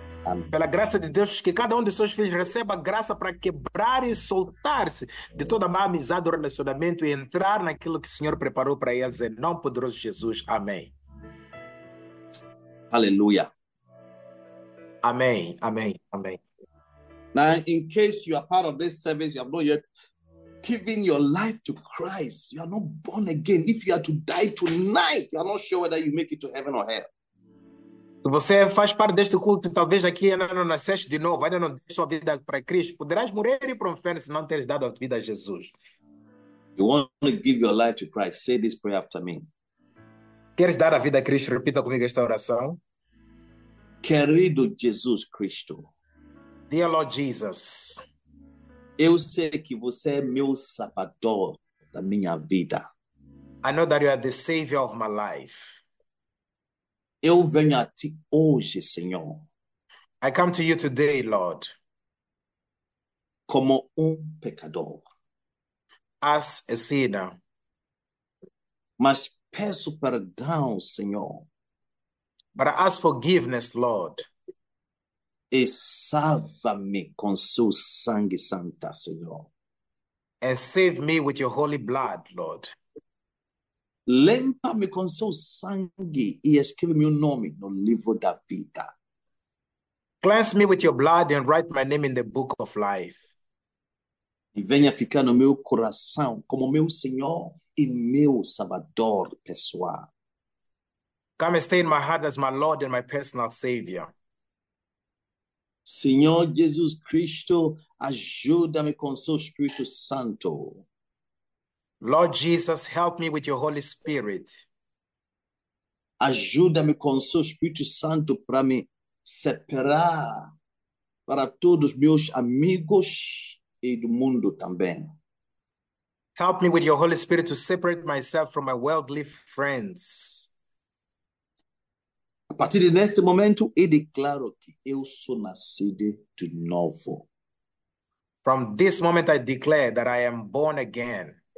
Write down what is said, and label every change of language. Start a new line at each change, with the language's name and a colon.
English: Amen.
Portuguese: Pela graça de Deus, que cada um de seus filhos receba graça para quebrar e soltar-se de toda a má amizade do relacionamento e entrar naquilo que o Senhor preparou para eles, em nome poderoso Jesus. Amém.
English: Hallelujah.
Portuguese: Amém, amém, amém.
English: Now, in case you are part of this service, you have not yet given your life to Christ. You are not born again. If you are to die tonight, you are not sure whether you make it to heaven or hell.
Portuguese: Se você faz parte deste culto, talvez aqui ainda não nasceste de novo, ainda não deu sua vida para Cristo, poderás morrer e ir para o inferno se não teres dado a vida a Jesus.
English: You want to give your life to Christ? Say this prayer after me.
Portuguese: Queres dar a vida a Cristo? Repita comigo esta oração. Querido Jesus Cristo,
English: Dear Lord Jesus,
Portuguese: eu sei que você é meu salvador da minha vida.
English: I know that you are the savior of my life.
Portuguese: Eu venho a ti hoje, Senhor,
English: I come to you today, Lord,
Portuguese: como pecador.
English: as a sinner.
Portuguese: Mas peço perdão, Senhor,
English: But I ask forgiveness, Lord.
Portuguese: e salva-me com seu sangue santo, Senhor.
English: And save me with your holy blood, Lord.
Portuguese: Limpa-me com seu sangue e escreve meu nome no livro da vida.
English: Cleanse me with your blood and write my name in the book of life.
Portuguese: E venha ficar no meu coração como meu Senhor e meu Salvador pessoal.
English: Come and stay in my heart as my Lord and my personal Savior.
Portuguese: Senhor Jesus Cristo, ajuda-me com seu Espírito Santo.
English: Lord Jesus, help me with your Holy Spirit.
Portuguese: Ajuda-me com seu Espírito Santo para me separar para todos meus amigos e do mundo também.
English: Help me with your Holy Spirit to separate myself from my worldly friends.
Portuguese: A partir deste momento, eu declaro que eu sou nascido de novo.
English: From this moment, I declare that I am born again.